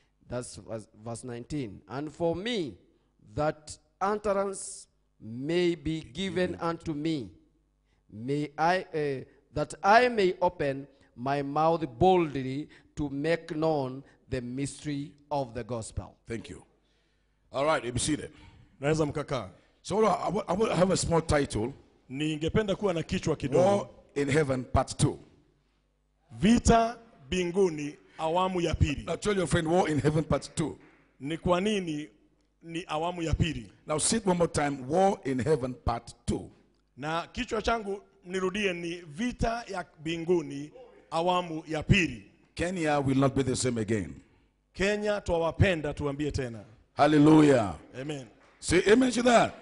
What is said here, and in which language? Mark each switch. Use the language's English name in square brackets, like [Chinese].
[English] That's verse 19. And for me, that utterance may be given unto me, that I may open my mouth boldly to make known the mystery of the gospel. Thank you. All right, let me see them. [Swahili] Naweza mkaka. [English] So I will have a small title. [Swahili] Ningependa kuwa na kichwa kidogo. [English] War in Heaven Part 2. [Swahili] Vita binguni awamu ya pili. [English] Now tell your friend, War in Heaven Part 2. [Swahili] Ni kwa nini ni awamu ya pili? [English] Now say it one more time, War in Heaven Part 2. [Swahili] Na kichwa changu nirudie ni vita ya binguni awamu ya pili. [English] Kenya will not be the same again. [Swahili] Kenya twawapenda tuambie tena. [English] Hallelujah. Amen. Say amen to that.